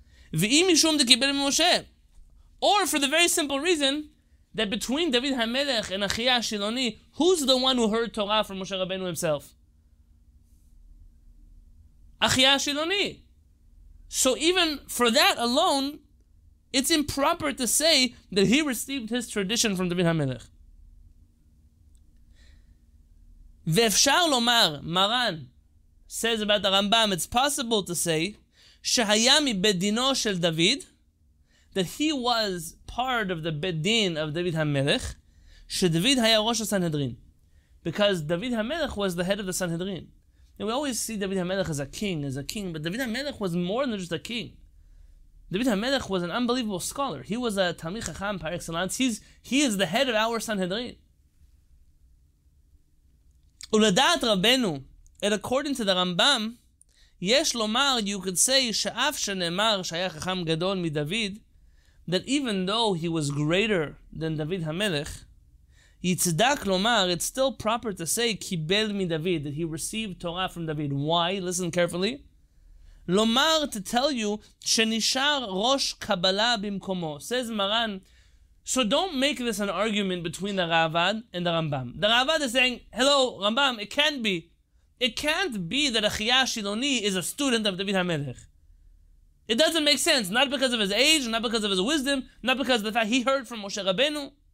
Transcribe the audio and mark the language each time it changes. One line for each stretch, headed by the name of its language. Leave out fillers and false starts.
English: Or for the very simple reason that between David HaMelech and Achiya HaShiloni, who's the one who heard Torah from Moshe Rabbeinu himself? Achiya HaShiloni. So even for that alone, it's improper to say that he received his tradition from David HaMelech.
Hebrew: V'efshar lomar,
English: Maran says about the Rambam, it's possible to say
Hebrew: שהיה מבית דינו של דוד,
English: that he was part of the בית דין of David HaMelech,
Hebrew: שדוד היה ראש הסנהדרין.
English: Because David HaMelech was the head of the Sanhedrin. And we always see David HaMelech as a king, but David HaMelech was more than just a king. David HaMelech was an unbelievable scholar. He was a Talmid Chacham par excellence. He is the head of our Sanhedrin.
Hebrew: ולדעת רבנו,
English: and according to the Rambam,
Hebrew: יש לומר,
English: you could say,
Hebrew: שאף שנאמר שהיה חכם גדול מדוד,
English: that even though he was greater than David HaMelech,
Hebrew: יצדק לומר,
English: it's still proper to say,
Hebrew: קיבל מדוד,
English: that he received Torah from David. Why? Listen carefully.
Hebrew: לומר,
English: to tell you,
Hebrew: שנשאר ראש קבלה במקומו.
English: Says Maran, so don't make this an argument between the Ravad and the Rambam. The Ravad is saying, hello, Rambam, it can't be. It can't be that Achia Shiloni is a student of David HaMelech. It doesn't make sense, not because of his age, not because of his wisdom, not because of the fact he heard from Moshe Rabbeinu.